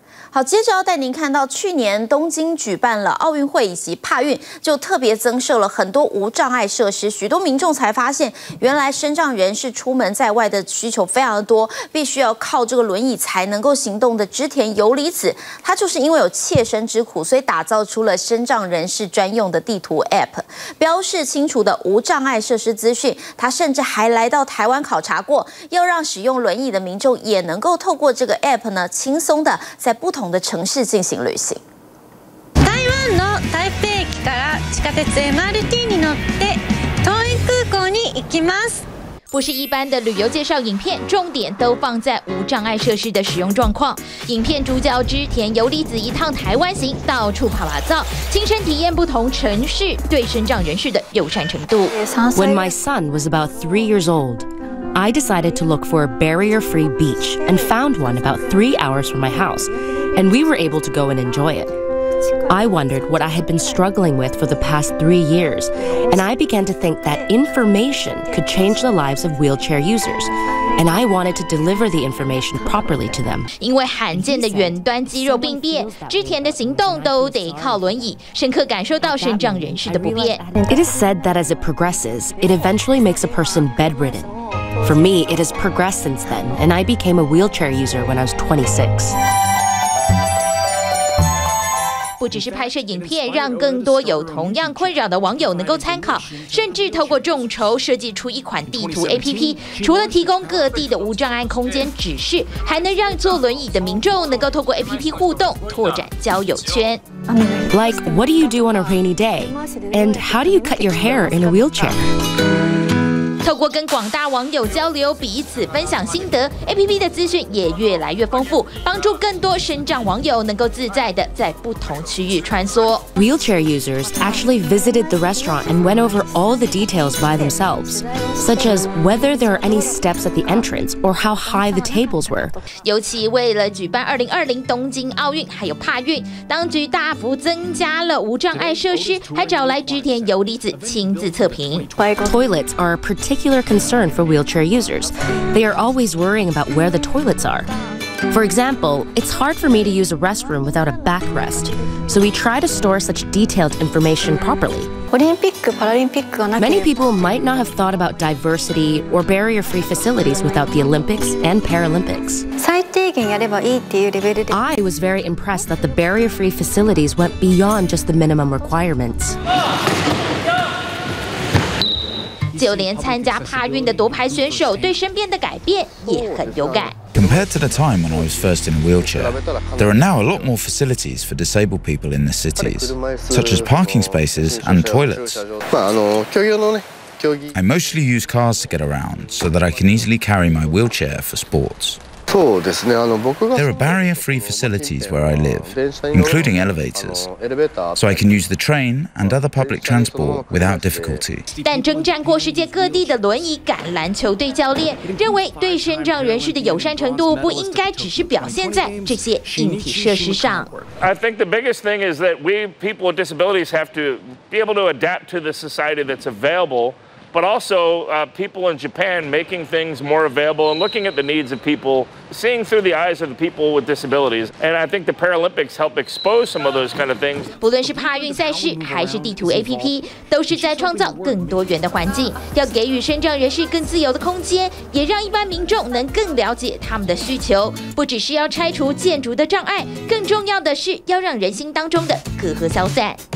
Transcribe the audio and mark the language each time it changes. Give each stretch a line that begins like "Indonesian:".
Chinese: 好，接着要带您看到，去年东京举办了奥运会以及帕运，就特别增设了很多无障碍设施，许多民众才发现，原来身障人士出门在外的需求非常的多，必须要靠这个轮椅才能够行动的织田游里子，他就是因为有切身之苦，所以打造出了身障人士专用的地图 APP，标示清楚的无障碍设施资讯，他甚至还来到台湾考察过，要让使用轮椅的民众也能够透过这个 APP 呢，轻松的在不同的城市进行旅行。
Japanese: 台湾の台北駅から地下鉄 MRT に乗って桃園空港に行きます。
Chinese: 不是一般的旅游介绍影片，重点都放在无障碍设施的使用状况。影片主角织田游里子一趟台湾行，到处跑拉造，亲身体验不同城市对身障人士的友善程度。
English: When my son was about 3 years old, I decided to look for a barrier-free beach and found one about 3 hours from my house. And we were able to go and enjoy it. I wondered what I had been struggling with for the past 3 years, and I began to think that information could change the lives of wheelchair users. And I wanted to deliver the information properly to them.
Chinese: 因为罕见的远端肌肉病变，织田的行动都得靠轮椅，深刻感受到身障人士的不便。
English: It is said that as it progresses, it eventually makes a person bedridden. For me, it has progressed since then, and I became a wheelchair user when I was 26.
Chinese: 不只是拍摄影片，让更多有同样困扰的网友能够参考，甚至透过众筹设计出一款地图 APP， 除了提供各地的无障碍空间指示，还能让坐轮椅的民众能够透过 APP 互动，拓展交友圈。
English: Like, what do you do on a rainy day? And how do you cut your hair in a wheelchair?
Chinese: 透过跟广大网友交流，彼此分享心得 ，APP 的资讯也越来越丰富，帮助更多身障网友能够自在地在不同区域穿梭。
English: Wheelchair users actually visited the restaurant and went over all the details by themselves, such as whether there are any steps at the entrance or how high the tables were.
Chinese: 尤其为了举办2020东京奥运还有帕运，当局大幅增加了无障碍设施，还找来织田游里子亲自测评。
English: Toilets are particular concern for wheelchair users. They are always worrying about where the toilets are. For example, it's hard for me to use a restroom without a backrest, so we try to store such detailed information properly. Many people might not have thought about diversity or barrier-free facilities without the Olympics and Paralympics. I was very impressed that the barrier-free facilities went beyond just the minimum requirements.
Chinese: 就连参加帕运的夺牌选手对身边的改变也很有感。
English: Compared to the time when I was first in a wheelchair, there are now a lot more facilities for disabled people in the cities, such as parking spaces and toilets. I mostly use cars to get around so that I can easily carry my wheelchair for sports. There are barrier-free facilities where I live, including elevators, so I can use the train and other public transport without difficulty.
Chinese: 但征战过世界各地的轮椅橄榄球队教练认为，对身障人士的友善程度不应该只是表现在这些硬体设施上。
English: I think the biggest thing is that we people with disabilities have to be able to adapt to the society that's available. But also, people in Japan making things more available and looking at the needs of people, seeing through the eyes of the people with disabilities. And I think the Paralympics help expose some of those kind of things.
Chinese: 不论是帕运赛事还是地图 APP， 都是在创造更多元的环境，要给予身障人士更自由的空间，也让一般民众能更了解他们的需求。不只是要拆除建筑的障碍，更重要的是要让人心当中的隔阂消散。